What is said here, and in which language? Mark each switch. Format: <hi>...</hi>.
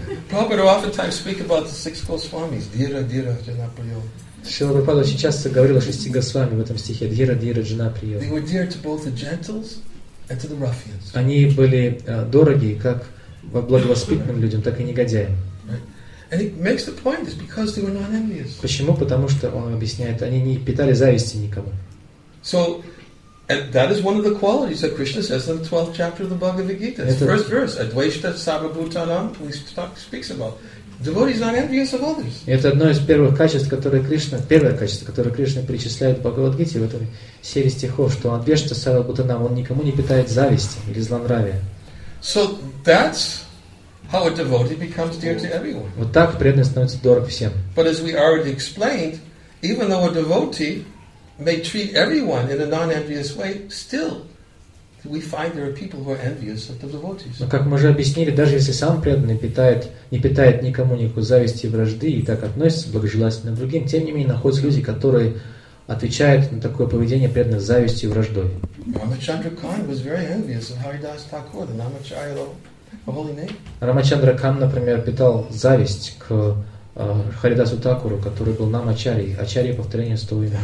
<en>Prabhupada would oftentimes speak about the six Goswamis.</en> <sa>Dhira, dhira, janapriyo.</sa> <ru>Шрила Прабхупада очень часто говорил о шести Госвами в этом стихе.</ru> <sa>Dhira, dhira, janapriyo.</sa> <en>They were dear to both the gentles and to the ruffians.</en> <ru>Они были дороги как благовоспитанным людям, так и негодяям.</ru> <en>And he makes the point is because they were not envious.</en> <ru>Почему? Потому что он объясняет, они не питали зависти никому.</ru> <en>So, and that is one of the qualities that Krishna says in the 12th chapter of the Bhagavad Gita. It's the first verse,</en> <sa>Advaishta Sarvabhutanam,</sa> <en>speaks about. Devotee is not envious of others.</en> <ru>Это одно из первых качеств, которое Кришна, первое качество, которое Кришна перечисляет в Бхагавад-гите в этой серии стихов, что</ru> <sa>Advaishta Sarvabhutanam,</sa> <ru>он никому не питает зависти или злонравия.</ru> <en>So that's How a devotee becomes dear to everyone.</en> <ru>Вот так преданность становится дорог всем.</ru> <en>But as we already explained, even though a devotee may treat everyone in a non-envious way, still we find there are people who are envious of the devotees.</en> <ru>Но как мы уже объяснили, даже если сам преданный питает, не питает никому никакой зависти и вражды и так относится благожелательно к другим, тем не менее находятся люди, которые отвечают на такое поведение преданных завистью и враждой.</ru> <en>Рамачандра Кан was very envious of Haridas Thakur, the Namacharya, the holy name.</en> <ru>Рамачандра Кан, например, питал зависть к Харидасу Такуру, который был Намачарьей, Ачарьей повторения сто</ru>